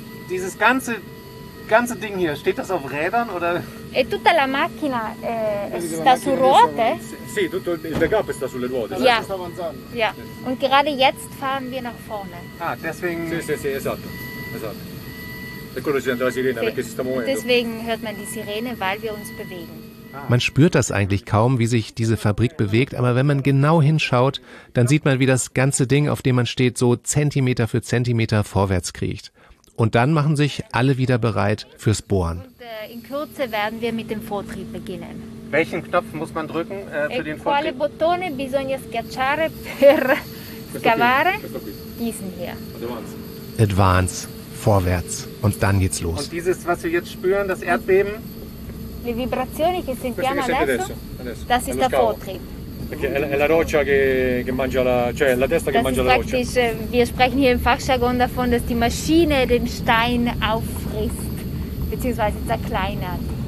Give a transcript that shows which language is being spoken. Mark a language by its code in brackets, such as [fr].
[de] Dieses ganze Ding hier, steht das auf Rädern oder? [it] E tutta la macchina sta su ruote? Sì, tutto il backup sta sulle ruote. [de] Ja. Ja. Und gerade jetzt fahren wir nach vorne. Ah, deswegen. [it] Sì, esatto. E quello c'è la sirena, perché si sta muovendo. [de] Deswegen hört man die Sirene, weil wir uns bewegen. Man spürt das eigentlich kaum, wie sich diese Fabrik bewegt, aber wenn man genau hinschaut, dann sieht man, wie das ganze Ding, auf dem man steht, so Zentimeter für Zentimeter vorwärts kriecht. Und dann machen sich alle wieder bereit fürs Bohren. In Kürze werden wir mit dem Vortrieb beginnen. Welchen Knopf muss man drücken für den Vortrieb? [it] Quale bottone bisogna schiacciare per scavare? [de] Diesen hier. Advance, vorwärts. Und dann geht's los. Und dieses, was wir jetzt spüren, das Erdbeben? [it] Le vibrazioni che sentiamo adesso, [de] das ist der Vortrieb. Wir sprechen hier im Fachjargon davon, dass die Maschine den Stein auffrisst, beziehungsweise zerkleinert.